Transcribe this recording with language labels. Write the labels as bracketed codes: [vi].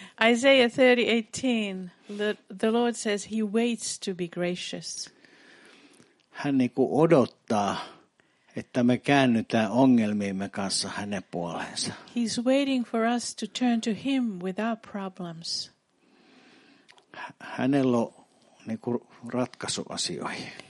[en] Isaiah 38, the Lord says he waits to be gracious. [fi] Hän niin kuin odottaa, että me käännytään ongelmiimme kanssa hänen puoleensa. [en] He's waiting for us to turn to him with our problems. [fi] hänellä on niinku ratkaisu asioihin.